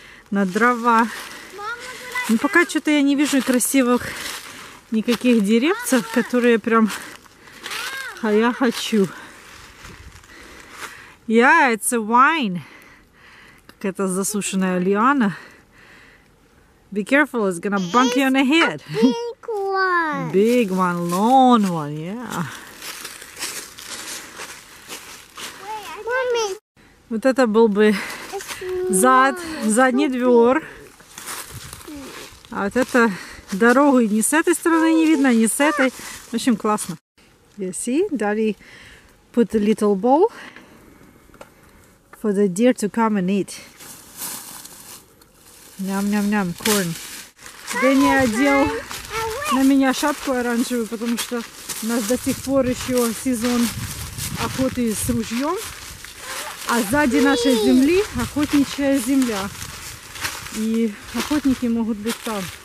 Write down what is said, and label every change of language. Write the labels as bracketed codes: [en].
[ru] на дрова. Ну, пока что-то я не вижу красивых никаких деревцев, которые прям... А я хочу. [en] Yeah, it's a vine. [ru] Какая-то засушенная лиана. [en] Be careful, it's gonna bunk you on the head. Big one. Big one, long one, yeah. [ru] Вот это был бы задний двор. А вот это дорогу ни с этой стороны не видно, ни с этой. В общем, классно. [en] You see, daddy put a little bowl for the deer to come and eat. [ru] Ням-ням-ням, corn. Дэнни одел на меня шапку оранжевую, потому что у нас до сих пор еще сезон охоты с ружьем. А сзади нашей земли охотничья земля. И охотники могут быть там.